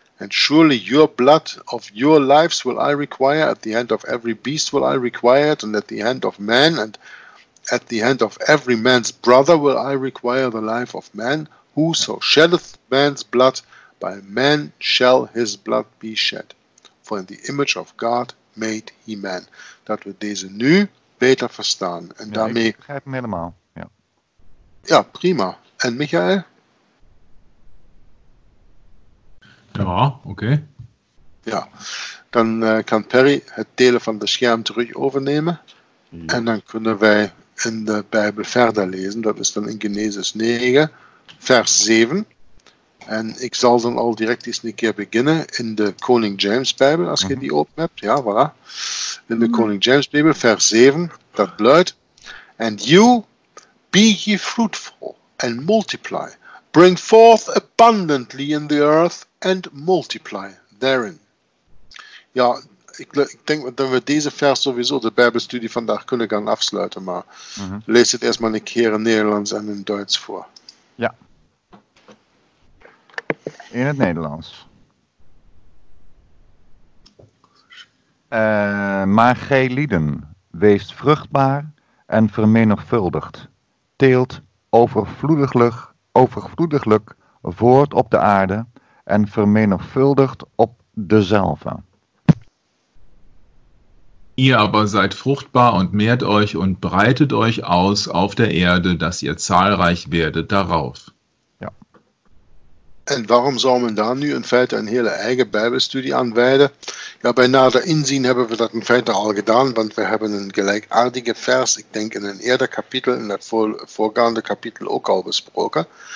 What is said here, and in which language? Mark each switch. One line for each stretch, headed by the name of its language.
English: And surely your blood of your lives will I require, at the hand of every beast will I require it, and at the hand of man, and at the hand of every man's brother will I require the life of man. Whoso sheddeth man's blood, by man shall his blood be shed. For in the image of God made he man.
Dutch: Dat we deze nu beter verstaan. En ja, daarmee... Ik begrijp hem helemaal. Ja. Ja, prima. En Michael? Ja, oké.
English: Okay.
Dutch: Ja, dan kan Perry het delen van de scherm terug overnemen. Ja. En dan kunnen wij in de Bijbel verder lezen. Dat is dan in Genesis 9, vers 7. En ik zal dan al direct eens een keer beginnen in de Koning James Bijbel, als je die open hebt. Ja, voilà. In de Koning James Bijbel, vers 7, dat luidt:
English: And you, be ye fruitful and multiply. Bring forth abundantly in the earth and multiply therein.
Dutch: Ja, ik denk dat we deze vers sowieso de Bijbelstudie vandaag kunnen gaan afsluiten, maar lees het eerst maar een keer in Nederlands en in Duits voor. Ja. In het Nederlands. Maar gij lieden, weest vruchtbaar en vermenigvuldigt, teelt overvloediglijk overvloediglijk voort op de aarde en vermenigvuldigt op dezelfde.
German: Ihr aber seid fruchtbaar und mehrt euch und breitet euch aus auf der Erde, dass ihr zahlreich werdet darauf.
Dutch: Ja. En waarom zou men daar nu in feite een hele eigen Bijbelstudie aan wijden? Ja, bij nader inzien hebben we dat in feite al gedaan, want we hebben een gelijkaardige vers, ik denk in een eerder kapitel, in het voorgaande kapitel ook al besproken.